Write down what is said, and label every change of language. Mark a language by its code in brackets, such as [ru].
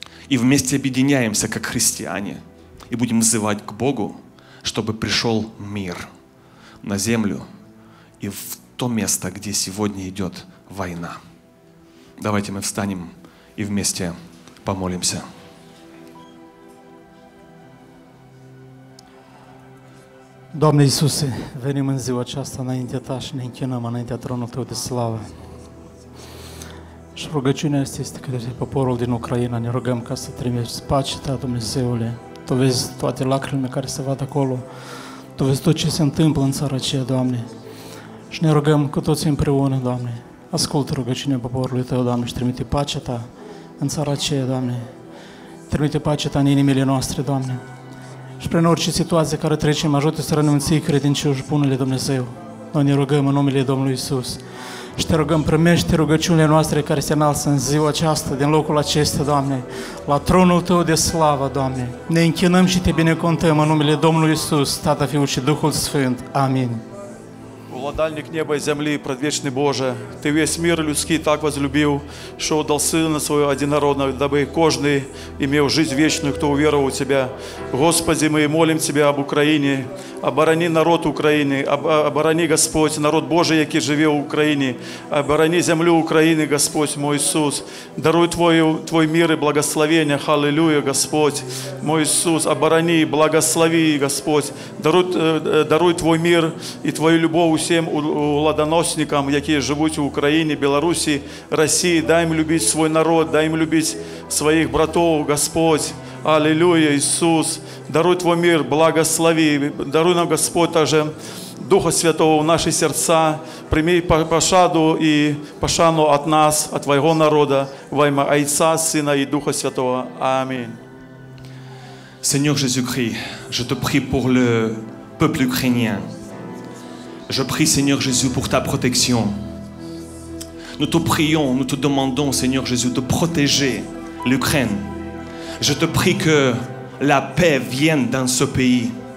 [ru] И вместе объединяемся, как христиане. И будем взывать к Богу, чтобы пришел мир на землю и в то место, где сегодня идет война. Давайте мы встанем и вместе помолимся. [ro] Doamne Iisuse, venim în ziua aceasta înaintea Ta și ne închinăm înaintea tronului Tău de slavă. Și rugăciunea asta este către poporul din Ucraina. Ne rugăm ca să trimiți pace Ta, Dumnezeule. Tu vezi toate lacrimile care se văd acolo. Tu vezi tot ce se întâmplă în țara aceea, Doamne. Și ne rugăm cu toți împreună, Doamne. Ascultă rugăciunea poporului Tău, Doamne, și trimite pacea Ta în țara aceea, Doamne. Trimite pacea Ta în inimile noastre, Doamne. Și prin orice situație care trecem, ajută să rămânem ții credincioși bunului Dumnezeu. Noi ne rugăm în numele Domnului Iisus. Și te rugăm, primește rugăciunile noastre care se înalță în ziua aceasta, din locul acesta, Doamne, la tronul Tău de slavă, Doamne. Ne închinăm și Te binecuvântăm în numele Domnului Iisus, Tată, Fiul și Duhul Sfânt. Amin. [ru] Владальник неба и земли, предвечный Боже, Ты весь мир людский так возлюбил, что отдал Сына Своего Одинородного, дабы каждый имел жизнь вечную, кто уверовал в Тебя. Господи, мы молим Тебя об Украине, оборони народ Украины, оборони, Господь, народ Божий, [uk] який живе [ru] в Украине, оборони землю Украины, Господь, мой Иисус, даруй Твой мир и благословение, халлилуйя, Господь, мой Иисус, оборони, благослови, Господь, даруй Твой мир и Твою любовь всем владоносникам, которые живут в Украине, Беларуси, России. Дай им любить свой народ, дай им любить своих братов, Господь. Аллилуйя, Иисус. Даруй Твой мир, благослови. Даруй нам, Господь, также Духа Святого в наши сердца. Прими пощаду и пошану от нас, от Твоего народа, во имя Отца, Сына и Духа Святого. Аминь. [fr] Seigneur Jésus-Christ, je te prie pour le peuple ukrainien. Je prie, Seigneur Jésus, pour ta protection. Nous te prions, nous te demandons, Seigneur Jésus, de protéger l'Ukraine. Je te prie que la paix vienne dans ce pays.